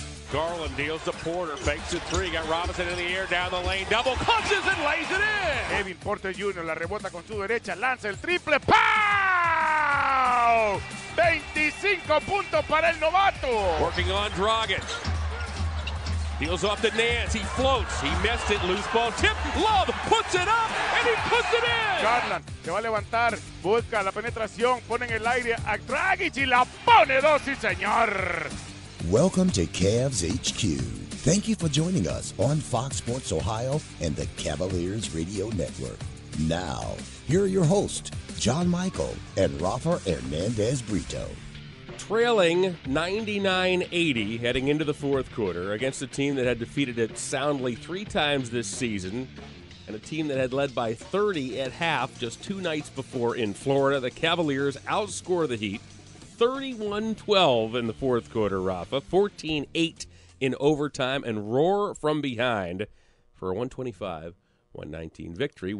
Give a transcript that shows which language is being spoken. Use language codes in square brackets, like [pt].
[en] Garland deals to Porter, fakes a three, got Robinson in the air, down the lane, double clutches and lays it in. Kevin Porter Jr. [es] la rebota con su derecha, lanza el triple, ¡pow! 25 puntos para el novato. [en] Working on Dragic. Deals off to Nance, he floats, he missed it, loose ball, tip, Love puts it up, and he puts it in. [es] Garland se va a levantar, busca la penetración, pone en el aire a Dragic y la pone dos, sí señor. [en] Welcome to Cavs HQ. Thank you for joining us on Fox Sports Ohio and the Cavaliers Radio Network. Now, here are your hosts, John Michael and Rafa Hernandez Brito. Trailing 99-80 heading into the fourth quarter against a team that had defeated it soundly three times this season and a team that had led by 30 at half just two nights before in Florida, the Cavaliers outscore the Heat 31-12 in the fourth quarter, Rafa, 14-8 in overtime, and roar from behind for a 125-119 victory.